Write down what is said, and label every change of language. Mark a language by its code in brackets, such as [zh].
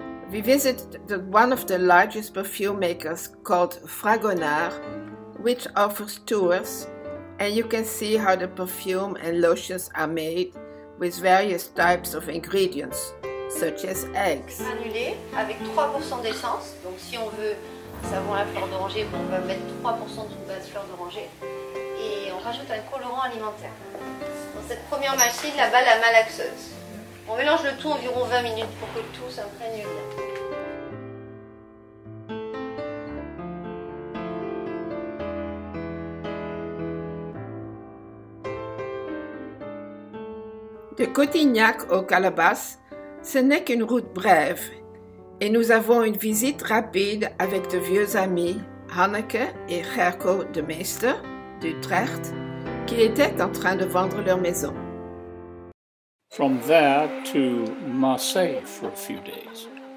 [en] We visited one of the largest perfume makers called Fragonard, which offers tours, and you can see how the perfume and lotions are made with various types of ingredients, such as eggs. [fr] Granulé avec 3% d'essence, donc si on veut savon à fleur d'oranger, on va mettre 3% d'une base fleur d'oranger et on rajoute un colorant alimentaire. Dans cette première machine, là-bas, la malaxeuse. On mélange le tout environ 20 minutes pour que le tout s'imprègne bien. De Cotignac au Calabas, ce n'est qu'une route brève. Et nous avons une visite rapide avec de vieux amis Hanneke et Gerco de Meester d'Utrecht qui étaient en train de vendre leur maison. [en] From there to Marseille for a few days.